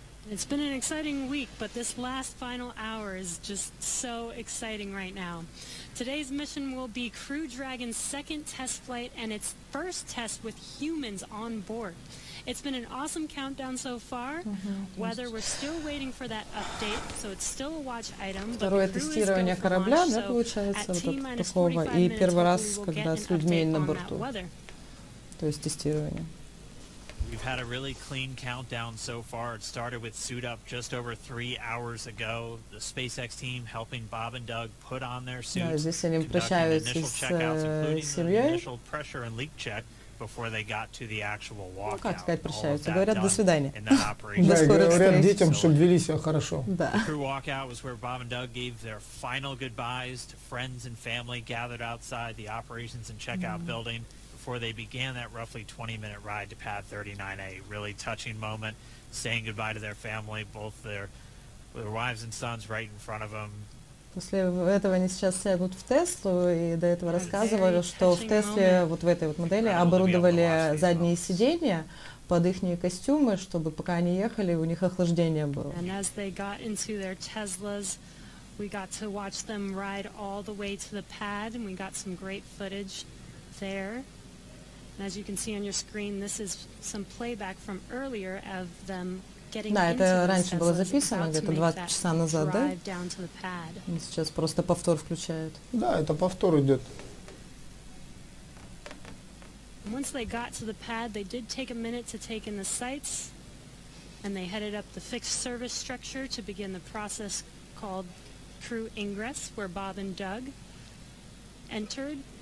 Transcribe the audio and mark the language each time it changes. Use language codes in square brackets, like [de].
[en] It's been an exciting week, but this last final hour is just so exciting right now. Today's mission will be Crew Dragon's second test flight and its first test with humans on board. It's been an awesome countdown so far. Mm-hmm. Weather, we're still waiting for that update, so it's still a watch item. [ru] Второе тестирование корабля, да, получается, вот такого. И первый раз, когда с людьми на борту. То есть тестирование. [en] We've had a really clean countdown so far. It started with suit up just over 3 hours ago. The SpaceX team helping Bob and Doug put on their suits, initial pressure and leak check before they got to the actual walkout. [ru] Ну, как сказать, прощаются? Говорят, до свидания. Да, говорят детям, чтобы вели себя хорошо. Да. [en] The crew walkout was where Bob and Doug gave their final goodbyes to friends and family gathered outside the operations and checkout building before they began that roughly 20-minute ride to pad 39A. Really touching moment, saying goodbye to their family, both their wives and sons right in front of them. [ru] После этого они сейчас сядут в Теслу, и до этого рассказывали, что в Тесле, вот в этой вот модели, оборудовали задние сиденья под их костюмы, чтобы пока они ехали, у них охлаждение было. [en] And as they got into their Teslas, we got to watch them ride all the way to the pad, and we got some great footage there. And as you can see on your screen, this is some playback from earlier of them. [ru] Да, это раньше было записано, где-то 20 часа назад, да? Сейчас просто повтор включают. Да, это повтор идет. [en] Once they got to the pad, they did take a minute to take in the sights, and they headed up the fixed service structure to begin the process called crew ingress, where Bob and Doug entered.